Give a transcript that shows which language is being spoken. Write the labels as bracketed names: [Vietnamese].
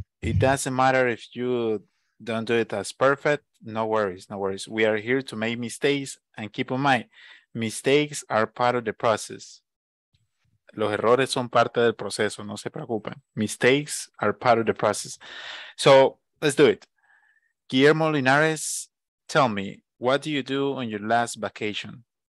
[English] It doesn't matter if you don't do it as perfect, no worries. We are here to make mistakes and keep in mind, mistakes are part of the process. [Spanish] Los errores son parte del proceso, no se preocupen. [English] Mistakes are part of the process. So, let's do it. Guillermo Linares, tell me, what do you do on your last vacation?